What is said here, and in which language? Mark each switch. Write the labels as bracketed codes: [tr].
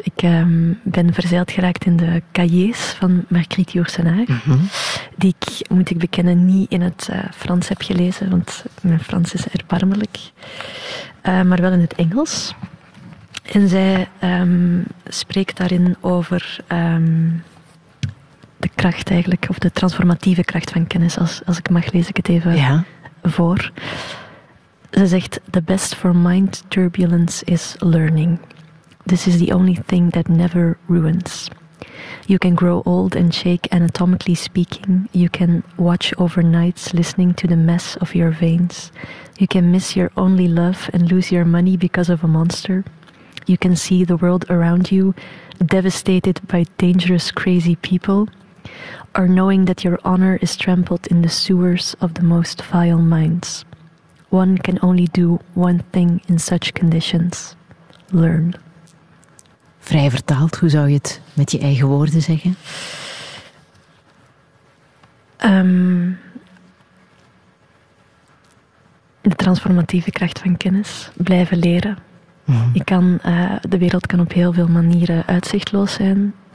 [nl] Ik ben verzeild geraakt in de cahiers van Marguerite Yourcenar, die ik, moet ik bekennen, niet in het Frans heb gelezen, want mijn Frans is erbarmelijk, maar wel in het Engels. En zij spreekt daarin over de kracht eigenlijk, of de transformatieve kracht van kennis. Als ik mag, lees ik het even voor. Ze zegt, [en] the best for mind turbulence is learning. This is the only thing that never ruins. You can grow old and shake anatomically speaking. You can watch overnight listening to the mess of your veins. You can miss your only love and lose your money because of a monster. You can see the world around you devastated by dangerous, crazy people. Or knowing that your honor is trampled in the sewers of the most vile minds. One can only do one thing in such conditions. Learn. [nl] Vrij vertaald, hoe zou je het met je eigen woorden zeggen? De transformatieve kracht van kennis. Blijven leren. Mm-hmm. De wereld kan op heel veel manieren uitzichtloos zijn.